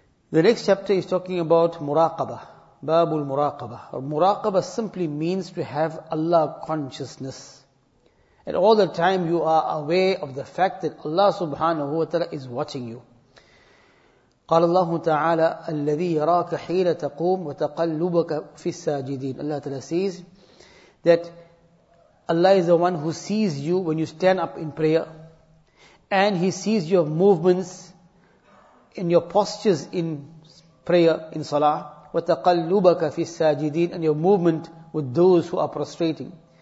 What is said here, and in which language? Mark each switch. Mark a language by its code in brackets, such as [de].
[en] The next chapter is talking about muraqabah. Bab al-muraqabah. Muraqabah simply means to have Allah consciousness. And all the time you are aware of the fact that Allah subhanahu wa ta'ala is watching you. [ar] قال الله تعالى الذي يراك حين تقوم وتقلبك في الساجدين. [en] Allah Ta'ala says that Allah is the one who sees you when you stand up in prayer, and He sees your movements and your postures in prayer, in salah. [ar] وَتَقَلُّبَكَ فِي السَّاجِدِينَ, [en] and your movement with those who are prostrating.